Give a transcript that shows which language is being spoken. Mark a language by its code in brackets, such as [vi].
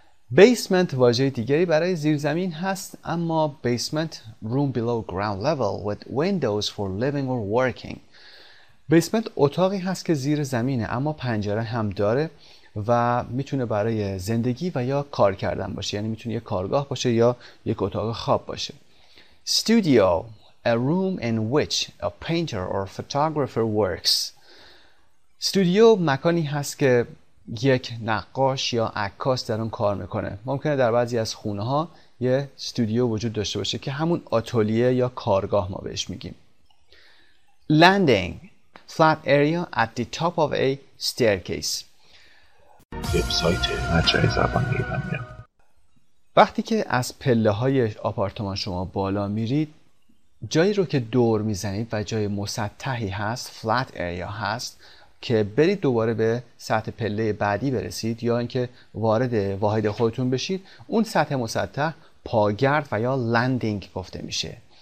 [fa] بیسمنت واژه دیگری برای زیرزمین هست، اما بیسمنت [en] room below ground level with windows for living or working. [fa] بیسمنت اتاقی هست که زیر زمینه اما پنجره هم داره و میتونه برای زندگی و یا کار کردن باشه، یعنی میتونه یک کارگاه باشه یا یک اتاق خواب باشه. [en] Studio, a room in which a painter or photographer works. [fa] Studio مکانی هست که یک نقاش یا عکاس در اون کار میکنه. ممکنه در بعضی از خونه ها یه استودیو وجود داشته باشه که همون آتلیه یا کارگاه ما بهش میگیم. [en] Landing, flat area at the top of a staircase. [fa] وبسایت مجله زبان ایرانی. وقتی که از پله‌های آپارتمان شما بالا میرید، جایی رو که دور میزنید و جای مسطحی هست، [en] flat area [fa] هست، که برید دوباره به سطح پله بعدی برسید یا اینکه وارد واحد خودتون بشید، اون سطح مسطح پاگرد و یا landing گفته میشه.